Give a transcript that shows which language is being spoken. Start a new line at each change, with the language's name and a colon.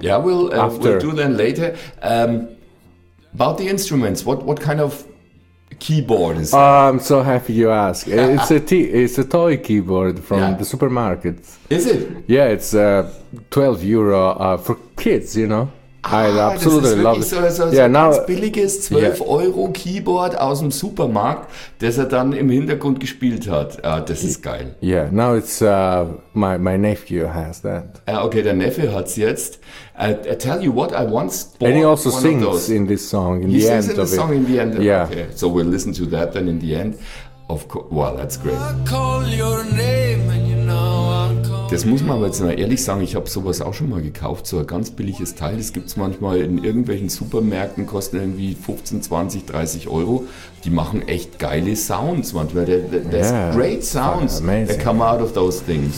English: Yeah, we'll do that later. About the instruments, what kind of keyboard is that? Oh, I'm so happy you ask. It's a toy keyboard from the supermarket. Is it? Yeah, it's €12 for kids, you know. I absolutely love it.
German: Ganz billiges 12-Euro Keyboard aus dem Supermarkt, das dann im Hintergrund gespielt hat. Das ist geil.
English: Yeah, now it's my nephew has that.
German: Okay, der Neffe hat's jetzt.
English: I tell you what, I once bought one of those. And he also sings in this song, in he the end in of it. He sings in the song in the end. Yeah. Okay, so we'll listen to that then in the end. Of course, wow, that's great. I call your name and you know I'll call.
German: Das muss man aber jetzt mal ehrlich sagen, ich habe sowas auch schon mal gekauft, so ein ganz billiges Teil. Das gibt's manchmal in irgendwelchen Supermärkten, kosten irgendwie 15, 20, 30 Euro. Die machen echt geile Sounds manchmal.
English: There's great sounds that come out of those things.